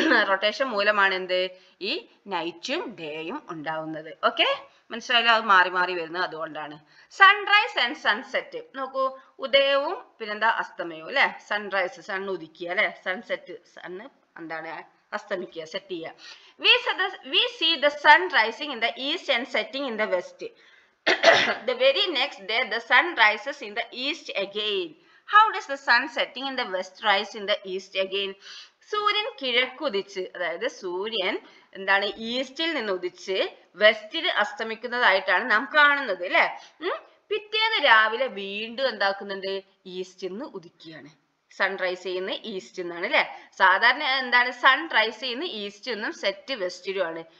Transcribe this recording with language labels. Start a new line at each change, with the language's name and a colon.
Malayalam: Rotation മൂലമാണ് എന്ത് ഈ നൈറ്റും ഡേയും ഉണ്ടാവുന്നത് ഓക്കെ മനസ്സിലായാലും അത് മാറി മാറി വരുന്നത് അതുകൊണ്ടാണ് സൺറൈസ് ആൻഡ് സൺസെറ്റ് നോക്കൂ ഉദയവും പിന്നെന്താ അസ്തമയവും അല്ലെ സൺറൈസ് സൺ ഉദിക്കുക അല്ലെ സൺസെറ്റ് സൺ എന്താണ് അസ്തമിക്കുക സെറ്റ് ചെയ്യുക
English: We see the sun rising in the east and setting in the west The very next day, the sun rises in the east again. How does the sun setting in the west rise in the east again?
Malayalam: സൂര്യൻ കിഴക്കുദിച്ച് അതായത് സൂര്യൻ എന്താണ് ഈസ്റ്റിൽ നിന്ന് ഉദിച്ച് വെസ്റ്റിൽ അസ്തമിക്കുന്നതായിട്ടാണ് നാം കാണുന്നത് അല്ലെ. പിറ്റേന്ന് രാവിലെ വീണ്ടും എന്താക്കുന്നുണ്ട്, ഈസ്റ്റിൽ നിന്ന് ഉദിക്കുകയാണ്. സൺറൈസ് ചെയ്യുന്ന ഈസ്റ്റ് എന്നാണ് അല്ലെ. സാധാരണ എന്താണ് സൺറൈസ് ചെയ്യുന്ന ഈസ്റ്റ് എന്നും സെറ്റ് വെസ്റ്റിലും ആണ്.